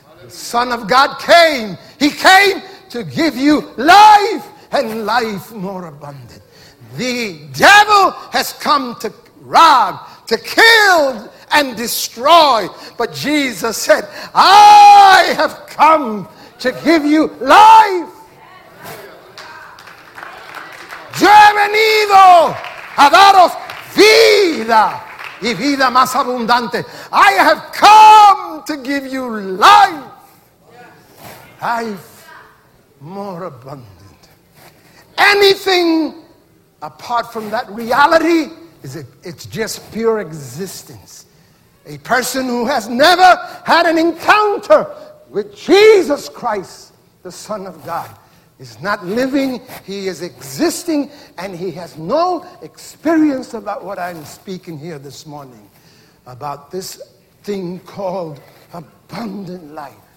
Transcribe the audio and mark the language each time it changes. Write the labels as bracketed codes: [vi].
[en] The Son of God came. He came to give you life and life more abundant. The devil has come to rob, to kill, and destroy. But Jesus said, I have come to give you life. [es] Yo he venido a daros vida y vida más abundante. [en] I have come to give you life. Life more abundant. Anything apart from that reality is it's just pure existence. A person who has never had an encounter with Jesus Christ, the Son of God, is not living, he is existing, and he has no experience about what I'm speaking here this morning, about this thing called abundant life.